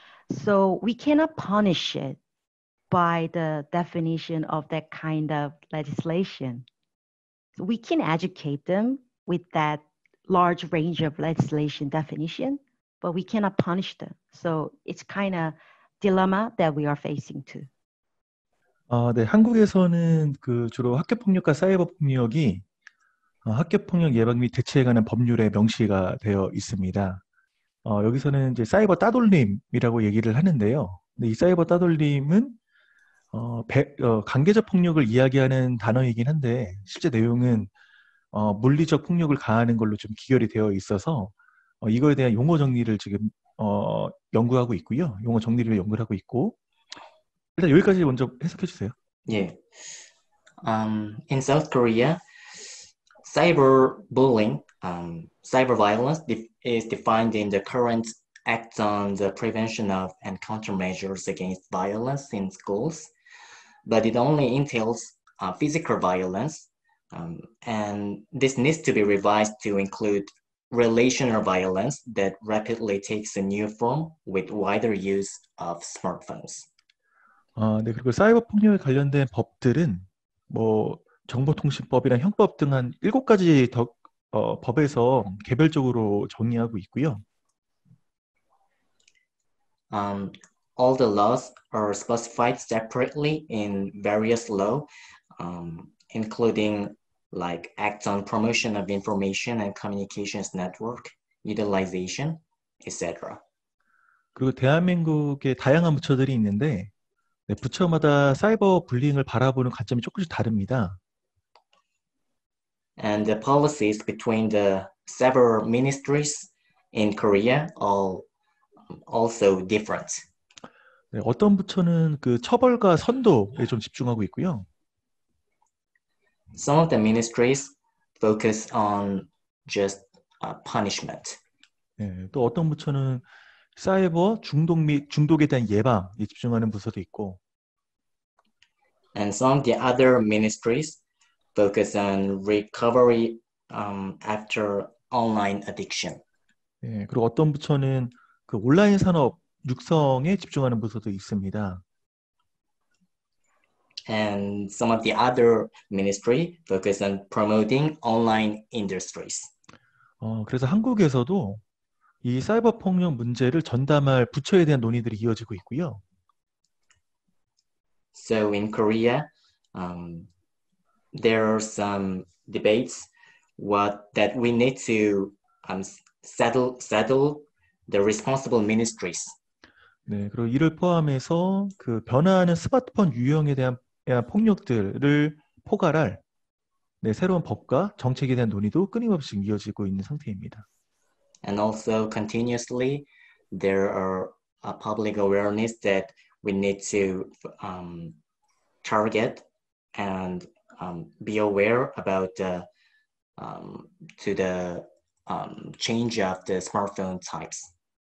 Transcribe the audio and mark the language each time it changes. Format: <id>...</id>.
<en>So we cannot punish it by the definition of that kind of legislation. So we can educate them with that large range of legislation definition, but we cannot punish them. So it's kind of a dilemma that we are facing too.</en> <ko>네, 한국에서는 그 주로 학교폭력과 사이버폭력이 학교폭력 예방 및 대처에 관한 법률에 명시가 되어 있습니다. 여기서는 이제 사이버 따돌림이라고 얘기를 하는데요. 근데 이 사이버 따돌림은 관계적 폭력을 이야기하는 단어이긴 한데 실제 내용은 물리적 폭력을 가하는 걸로 좀 귀결이 되어 있어서 이거에 대한 용어 정리를 지금 연구하고 있고요. 용어 정리를 연구하고 있고 일단 여기까지 먼저 해석해 주세요. 예.</ko> <en>In South Korea, cyberbullying, cyberviolence is defined in the current Act on the Prevention of and Countermeasures Against Violence in Schools. But it only entails physical violence, and this needs to be revised to include relational violence that rapidly takes a new form with wider use of smartphones.</en> <ko>네, 그리고 사이버 폭력에 관련된 법들은 뭐 정보통신법이랑 형법 등 한 7가지 더 법에서 개별적으로 정리하고 있고요.</ko> <en>All the laws are specified separately in various law, including like Act on Promotion of Information and Communications Network Utilization, etc.</en> <ko>그리고 대한민국에 다양한 부처들이 있는데 네, 부처마다 사이버 불링을 바라보는 관점이 조금씩 다릅니다.</ko> <en>And the policies between the several ministries in Korea are also different.</en> <ko>네, 어떤 부처는 그 처벌과 선도에 좀 집중하고 있고요.</ko> <en>Some of the ministries focus on just punishment.</en> <ko>네, 또 어떤 부처는 사이버 중독 및 중독에 대한 예방에 집중하는 부서도 있고.</ko> <en>And some of the other ministries focus on recovery after online addiction.</en> <ko>예, 그리고 어떤 부처는 그 온라인 산업 육성에 집중하는 부서도 있습니다.</ko> <en>And some of the other ministry focus on promoting online industries.</en> <ko>그래서 한국에서도 이 사이버 폭력 문제를 전담할 부처에 대한 논의들이 이어지고 있고요.</ko> <en>So in Korea, there are some debates what that we need to settle the responsible ministries.</en> <ko>네, 그리고 이를 포함해서 그 변화하는 스마트폰 유형에 대한 폭력들을 포괄할 네, 새로운 법과 정책에 대한 논의도 끊임없이 이어지고 있는 상태입니다.</ko> <en>And also continuously, there are a public awareness that we need to target and be aware about the to the change of the smartphone types.</en>